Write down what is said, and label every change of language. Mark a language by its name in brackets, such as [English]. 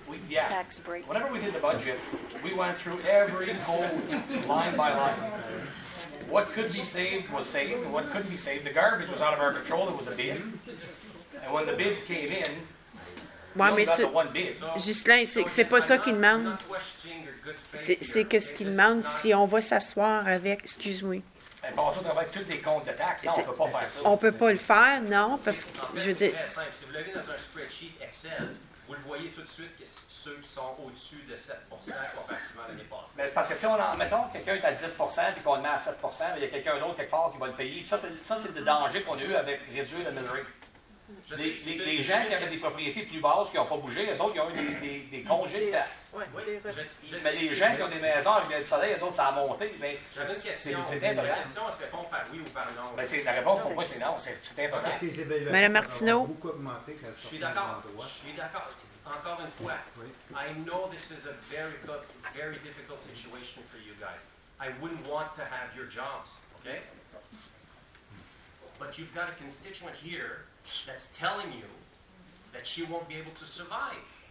[English] Tax break. Whenever we did the budget, we went through every code line by line. What could be saved was saved. What couldn't be saved, the garbage was out of our control. It was a bid. And when the bids came in, we only got the one bid. [French] Ghislain, c'est pas ça qu'il demande. C'est que ce qu'il demande, si on va s'asseoir avec... Excuse-moi. Et bon, on travaille tous les comptes de taxes. Non, on peut pas faire ça. On peut pas le faire, non, parce que... En fait, c'est très simple. Si vous l'avez dans un spreadsheet Excel, vous le voyez tout de suite que ceux qui sont au-dessus de 7% comparativement l'année passée. Mais c'est parce que si on en mettons quelqu'un est à 10% et qu'on le met à 7%, il y a quelqu'un d'autre quelque part qui va le payer. Ça, c'est le danger qu'on a eu avec réduire le millerie. Les gens qui avaient des propriétés plus basses qui n'ont pas bougé, eux autres, ils ont eu des congés de taxes. Mais les gens qui ont des maisons avec du soleil, eux autres, ça a monté. Mais la question se répond par oui ou par non. Ben, c'est, la réponse pour moi, c'est non. C'est important. Madame Martineau. Je suis d'accord. Encore une fois, [English] I know this is a very good, very difficult situation for you guys. I wouldn't want to have your jobs, okay? But you've got a constituent here that's telling you that she won't be able to survive.